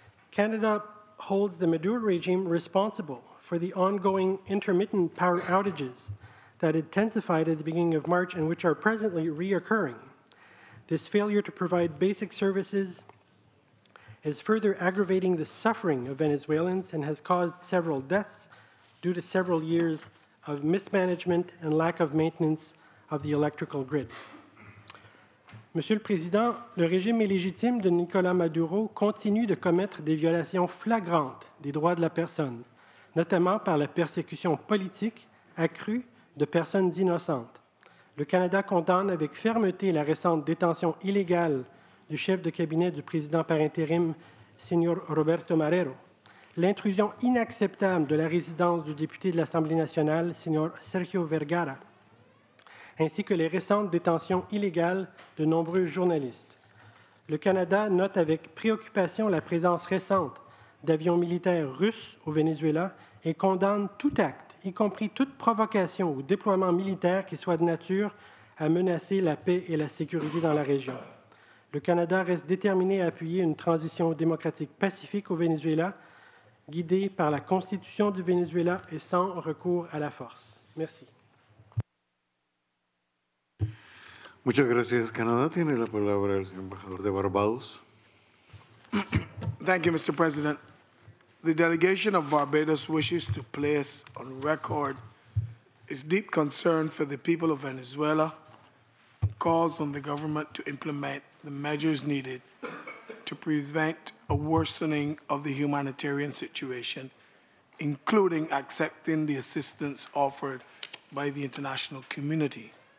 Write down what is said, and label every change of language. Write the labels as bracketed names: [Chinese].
[English] Canada holds the Maduro regime responsible for the ongoing intermittent power outages that intensified at the beginning of March and which are presently reoccurring. This failure to provide basic services is further aggravating the suffering of Venezuelans and has caused several deaths due to several years of mismanagement and lack of maintenance of the electrical grid. [French] Monsieur le Président, le régime illégitime de Nicolas Maduro continue de commettre des violations flagrantes des droits de la personne, notamment par la persécution politique accrue de personnes innocentes. Le Canada condamne avec fermeté la récente détention illégale du chef de cabinet du président par intérim, Señor Roberto Marrero, l'intrusion inacceptable de la résidence du député de l'Assemblée nationale, Señor Sergio Vergara, ainsi que les récentes détentions illégales de nombreux journalistes. Le Canada note avec préoccupation la présence récente d'avions militaires russes au Venezuela et condamne tout acte, y compris toute provocation ou déploiement militaire qui soit de nature à menacer la paix et la sécurité dans la région. Le Canada reste déterminé à appuyer une transition démocratique pacifique au Venezuela, guidée par la Constitution du Venezuela et sans recours à la force. Merci. [Spanish] Muchas gracias. Canadá tiene la palabra el señor embajador de Barbados. [English] Thank you, Mr. President. The delegation of Barbados wishes to place on record its deep concern for the people of Venezuela and calls on the government to implement the measures needed to prevent a worsening of the humanitarian situation, including accepting the assistance offered by the international community.